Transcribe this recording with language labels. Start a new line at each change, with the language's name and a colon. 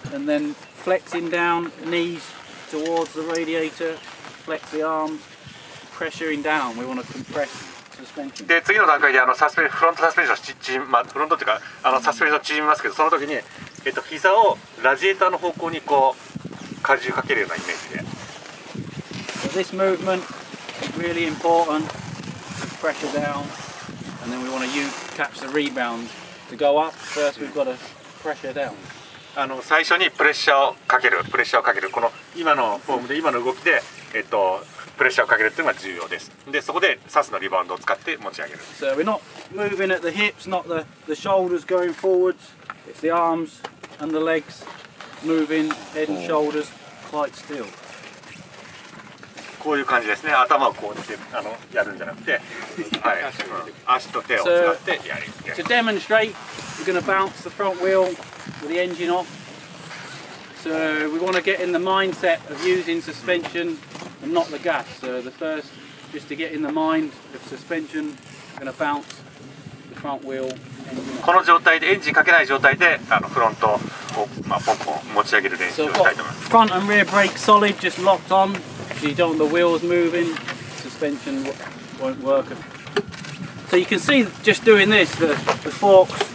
English: and then flexing down, kneesTowards the radiator, flex the arms, pressuring down. We want to compress the suspension.
Japanese: で、次の段階でフロントサスペンションを縮め、フロントっていうか、サスペンションを縮めますけど、その時に、膝をラジエーターの方向にこう、荷重かけるようなイメージで。
English: So this movement is really important. Pressure down. And then we want to catch the rebound to go up. First we've got to pressure down.
Japanese: 最初にプレッシャーをかける、プレッシャーをかける、この今のフォームで、今の動きで、プレッシャーをかけるというのが重要です。で、そこでサスのリバウンドを使って持ち上げる。
English: So we're not moving at the hips, not the shoulders going forwards. It's the arms and the legs moving, head and shoulders quite still.
Japanese: こういう感じですね。頭をこうやってやるんじゃなくて、はい、足と手を使ってやる。
English: So, to demonstrate, we're going to bounce the front wheel. With the engine off, so we want to get in the mindset of using suspension and not the gas. So the first, just to get in the mind of suspension, we're going to bounce the front wheel.
Japanese: この状態でエンジンかけない状態でフロントをポンポン持ち上げる練習をしたいと思います。
English: Front and rear brake solid, just locked on. So you don't want the wheels moving, suspension won't work. So you can see just doing this, the forks.